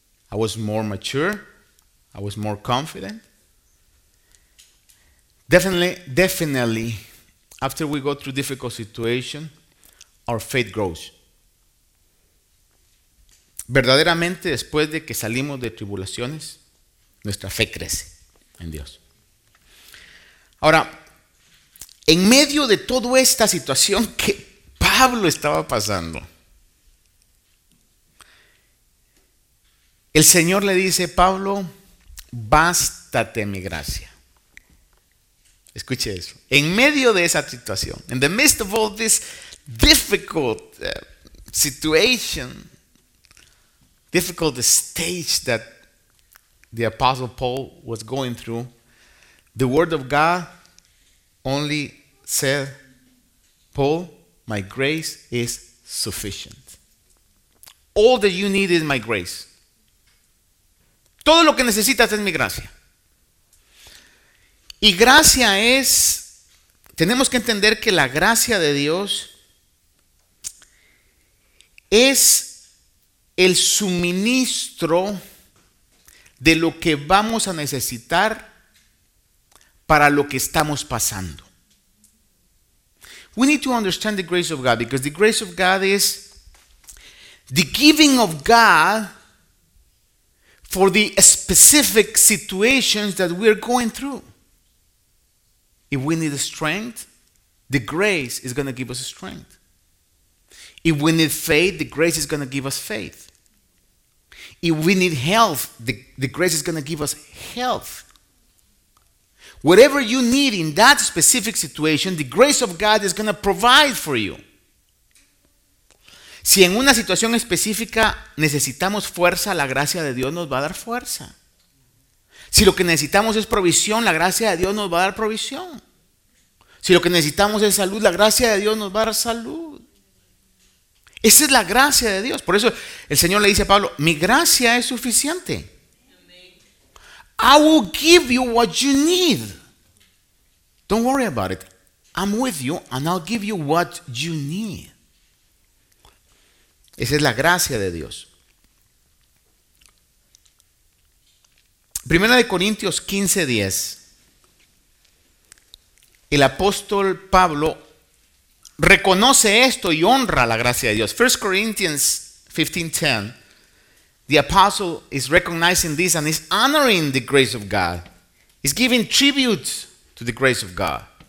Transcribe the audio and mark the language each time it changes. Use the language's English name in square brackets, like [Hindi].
[English] I was more mature. I was more confident. Definitely, after we go through difficult situation, our faith grows. [Spanish] Verdaderamente, después de que salimos de tribulaciones, nuestra fe crece en Dios. Ahora, en medio de toda esta situación que Pablo estaba pasando, el Señor le dice, Pablo, bástate mi gracia. Escuche eso. En medio de esa situación, [English] in the midst of all this difficult situation, difficult stage that the Apostle Paul was going through, the Word of God only said, Paul, my grace is sufficient. All that you need is my grace. [Spanish] Todo lo que necesitas es mi gracia. Y gracia es, tenemos que entender que la gracia de Dios es el suministro de lo que vamos a necesitar para lo que estamos pasando. [English] We need to understand the grace of God, because the grace of God is the giving of God for the specific situations that we're going through. If we need strength, the grace is going to give us strength. If we need faith, the grace is going to give us faith. If we need health, the grace is going to give us health. Whatever you need in that specific situation, the grace of God is going to provide for you. [Spanish] Si en una situación específica necesitamos fuerza, la gracia de Dios nos va a dar fuerza. Si lo que necesitamos es provisión, la gracia de Dios nos va a dar provisión. Si lo que necesitamos es salud, la gracia de Dios nos va a dar salud. Esa es la gracia de Dios. Por eso el Señor le dice a Pablo, mi gracia es suficiente. [English] I will give you what you need. Don't worry about it. I'm with you and I'll give you what you need. [Spanish] Esa es la gracia de Dios. Primera de Corintios 15:10. El apóstol Pablo reconoce esto y honra la gracia de Dios. [English] 1 Corinthians 15:10. The apostle is recognizing this and is honoring the grace of God. He's giving tribute to the grace of God.